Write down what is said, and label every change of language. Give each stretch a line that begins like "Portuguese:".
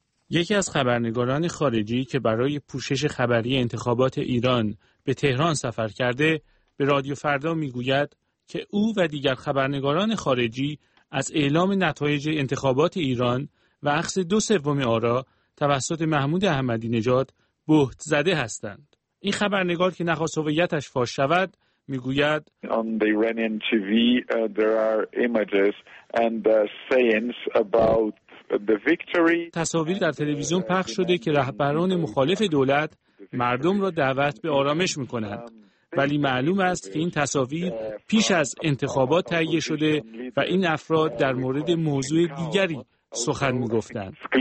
Persian: یکی از خبرنگاران خارجی که برای پوشش خبری انتخابات ایران به تهران سفر کرده به رادیو فردا میگوید که او و دیگر خبرنگاران خارجی از اعلام نتایج انتخابات ایران و اخذ 2/3 آرا توسط محمود احمدی نژاد بهت زده هستند. این خبرنگار که نخواست هویتش فاش شود میگوید
English: they ran in TV there are images and sayings about the victory.
Persian: تصاویر در تلویزیون پخش شده که رهبران مخالف دولت مردم را دعوت به آرامش میکنند، ولی معلوم است که این تصاویر پیش از انتخابات تهیه شده و این افراد در مورد موضوع دیگری سخن میگفتند.